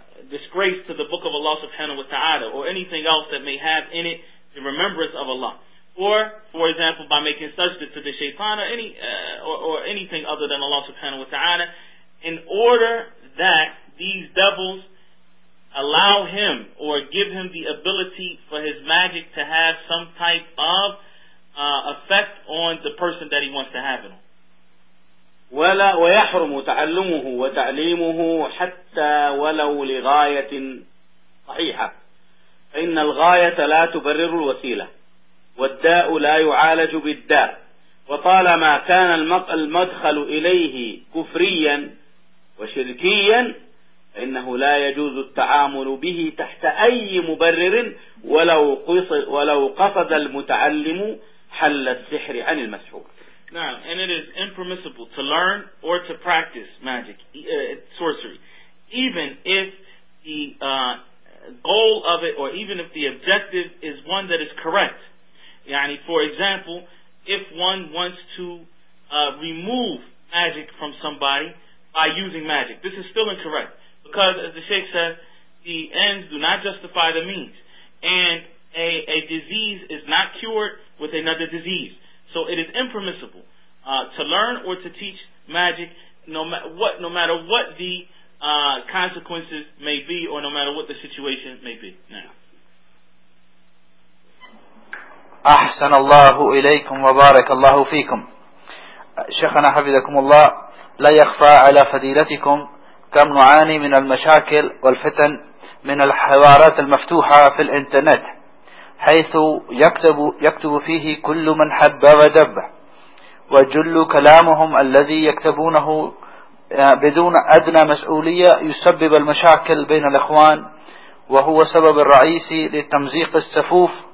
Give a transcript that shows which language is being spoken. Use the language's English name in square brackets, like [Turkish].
[English] disgrace to the book of Allah subhanahu wa ta'ala or anything else that may have in it the remembrance of Allah, or for example by making sajda to the shaitan or anything other than Allah subhanahu wa ta'ala, in order that these devils allow him or give him the ability for his magic to have some type of effect on the person that he wants to have it on. [Arabic] ولا ويحرم تعلمه وتعليمه حتى ولو لغاية صحيحة، فإن الغاية لا تبرر الوسيلة، والداء لا يعالج بالداء، وطالما كان المدخل إليه كفريا وشركيا فإنه لا يجوز التعامل به تحت أي مبرر، ولو قصد المتعلم حل السحر عن المسحور. [English] Now, and it is impermissible to learn or to practice magic, sorcery, even if the goal of it or even if the objective is one that is correct. Yani, for example, if one wants to remove magic from somebody by using magic, this is still incorrect because, as the Sheikh said, the ends do not justify the means, and a disease is not cured with another disease. So it is impermissible to learn or to teach magic, no matter what the consequences may be, or no matter what the situation may be. [Arabic] أحسن الله إليكم وبارك الله فيكم. شيخنا حفظكم الله، لا يخفى على فضيلتكم كم نعاني من المشاكل والفتن من الحوارات المفتوحة في الإنترنت، حيث يكتب فيه كل من حب ودب، وجل كلامهم الذي يكتبونه بدون أدنى مسؤولية يسبب المشاكل بين الإخوان، وهو سبب الرئيسي لتمزيق الصفوف